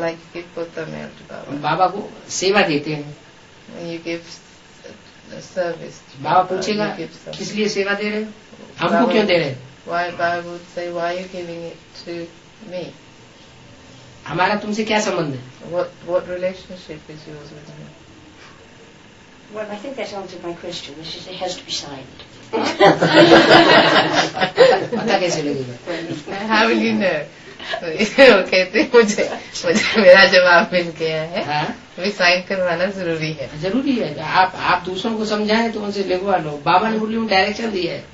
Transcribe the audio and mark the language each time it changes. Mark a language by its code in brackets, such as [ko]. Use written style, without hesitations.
[en] like give पोता meal to बाबा [hi] बाबा को सेवा देते हैं [en] you give service [hi] बाबा पूछेगा किस लिए सेवा दे रहे हैं हमको क्यों दे रहे [en] why बाबा would say why are you giving it to me [hi] हमारा तुमसे क्या संबंध है [en] What relationship is yours with him? Well, I think that answered my question. This is, it has to be signed. [hi] पता कैसे लगेगा? [en] How will you know? [hi] वो कहते मुझे मेरा जवाब मिल गया है अभी साइन करवाना जरूरी है जरूरी है आप दूसरों को समझाएं तो उनसे लिखवा लो बाबा ने मुरली में डायरेक्शन दिया है